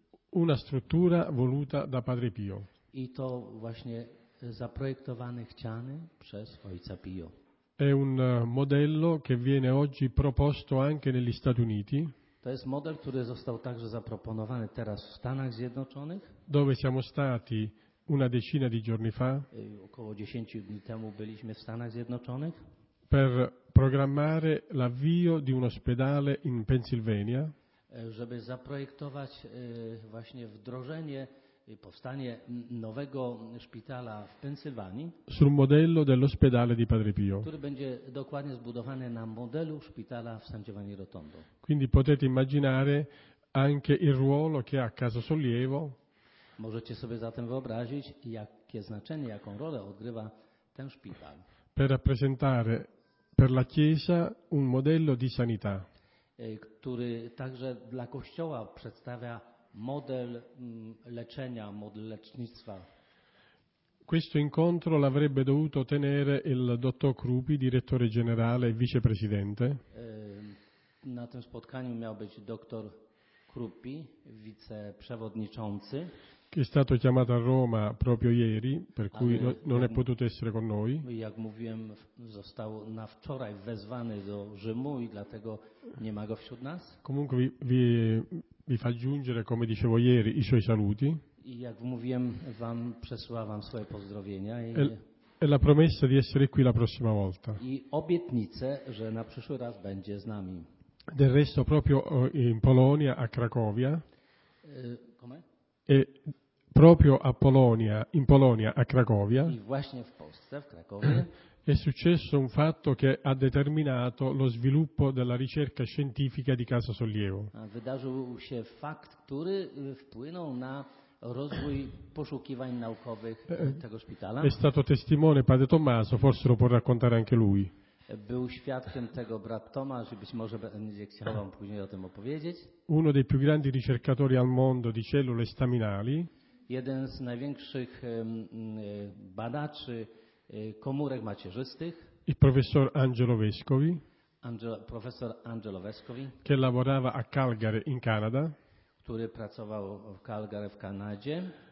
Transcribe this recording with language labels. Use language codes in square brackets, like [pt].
[it] Una struttura voluta da Padre Pio. [pl] I to właśnie zaprojektowany, chciany przez Ojca Pio. [it] È un modello che viene oggi proposto anche negli Stati Uniti. [pl] To jest model, który został także zaproponowany teraz w Stanach Zjednoczonych. [it] Dove siamo stati una decina di giorni fa. [pl] Około 10 dni temu byliśmy w Stanach Zjednoczonych. [it] Per programmare l'avvio di un ospedale in Pennsylvania. [pl] Żeby zaprojektować właśnie wdrożenie i powstanie nowego szpitala w Pensylwanii. [it] Sul modello dell'ospedale di Padre Pio. [pl] Który będzie dokładnie zbudowany na modelu szpitala w San Giovanni Rotondo. [it] Quindi potete immaginare anche il ruolo che ha Casa Sollievo. [pl] Możecie sobie zatem wyobrazić, jakie znaczenie, jaką rolę odgrywa ten szpital. [it] Per rappresentare per la Chiesa un modello di sanità. [pl] Który także dla Kościoła przedstawia model leczenia, model lecznictwa. [it] Questo incontro l'avrebbe dovuto tenere il dottor Krupi, direttore generale e vicepresidente. [pl] Na tym spotkaniu miał być dr Krupi, wiceprzewodniczący. [it] Che è stato chiamato a Roma proprio ieri, per cui non è potuto essere con noi. [pl] Jak mówiłem, został na wczoraj wezwany do Rzymu i dlatego nie ma go wśród nas. [it] Comunque vi fa giungere, come dicevo ieri, i suoi saluti. [pl] I jak mówiłem, wam przesyłam swoje pozdrowienia. [it] E la promessa di essere qui la prossima volta. [pl] I obietnicę, że na przyszły raz będzie z nami. [it] Del resto proprio in Polonia, a Cracovia. Come? E proprio a Polonia, in Polonia, a Cracovia. [pl] I właśnie w Polsce, w Cracovia. [it] È successo un fatto che ha determinato lo sviluppo della ricerca scientifica di Casa Sollievo. [pl] Wydarzył się fakt, który wpłynął na rozwój poszukiwań naukowych tego szpitala. [it] È stato testimone padre Tommaso, forse lo può raccontare anche lui. [pl] Był świadkiem tego brat Tomasz i być może będzie chciał wam później o tym opowiedzieć. [it] Uno dei più grandi ricercatori al mondo di cellule staminali. [pl] Jeden z największych badaczy komórek macierzystych. [it] Il professor Angelo Vescovi. [pl] Professor Angelo Vescovi. [it] Che lavorava a Calgary in Canada. [pl] Który pracował w Calgary w Kanadzie.